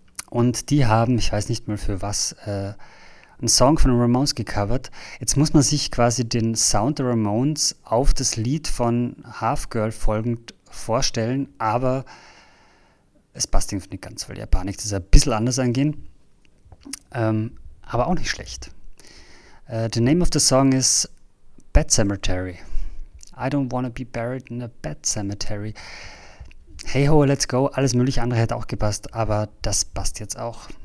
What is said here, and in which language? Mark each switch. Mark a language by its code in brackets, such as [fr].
[de] Und die haben, ich weiß nicht mal für was, einen Song von Ramones gecovert. Jetzt muss man sich quasi den Sound der Ramones auf das Lied von Half Girl folgend vorstellen, aber Es passt irgendwie nicht ganz, weil Japanisch ist ein bisschen anders angehen. Aber auch nicht schlecht. [en] The name of the song is Pet Cemetery. I don't wanna be buried in a Pet Cemetery. Hey ho, let's go. [de] Alles mögliche andere hätte auch gepasst, aber das passt jetzt auch.